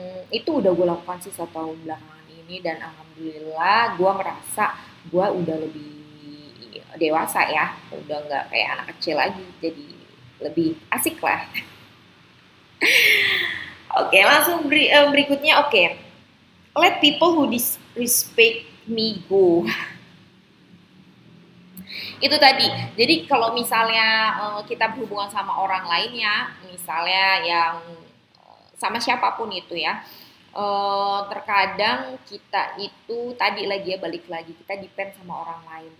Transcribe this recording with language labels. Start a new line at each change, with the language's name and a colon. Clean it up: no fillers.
Indonesian: Itu udah gue lakukan sih setahun belakangan ini, dan alhamdulillah gue merasa gue udah lebih dewasa ya, udah gak kayak anak kecil lagi, jadi lebih asik lah. Oke, langsung berikutnya.
English: Oke, let people who disrespect me go.
Indonesian: Itu tadi, jadi kalau misalnya kita berhubungan sama orang lain ya, misalnya yang sama siapapun itu ya, terkadang kita itu tadi lagi ya, balik lagi, kita depend sama orang lain.